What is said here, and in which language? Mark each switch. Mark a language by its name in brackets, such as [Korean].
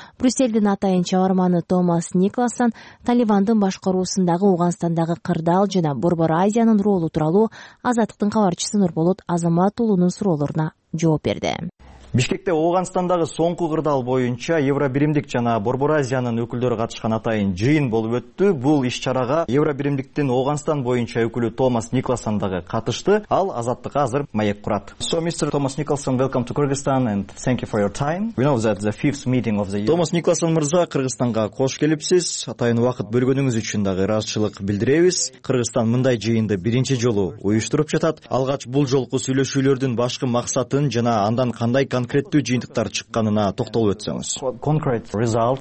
[Kyrgyz] Брюсселдин атайын чабарманы Томас Никласан Талибандын башкаруусундагы Ооганстандагы кырдаал жана Борбор Азиянын ролу тууралуу Азаттыктын кабарчысы Нурболот Азамат уулунун суроолоруна жооп берди. Бишкекте Ооганстандагы соңку кырдаал боюнча Евробиримдик жана Борбор Азиянын өкүлдөрү катышкан атайын жыйын болуп өттү. Бул иш чарага Евробиримдиктин Ооганстан боюнча өкүлү Томас Никласан дагы катышты. Ал азаттыкка азыр маек курат. [English] So Mr. Thomas Nicholson, welcome to Kyrgyzstan and thank you for your time. We know that the fifth meeting of the year. [Kyrgyz] Томас Никласан мырза, Кыргызстанга кош келипсиз. Атайын убакыт бөлгөнүңүз үчүн дагы ыраазычылык билдиребиз. Кыргызстан мындай жыйынды биринчи жолу уюштуруп жатат. Алгач бул жолку сүйлөшүүлөрдүн башкы максатын жана андан кандай конкреттүү жыйынтыктар чыкканына токтолуп өтсөңүз.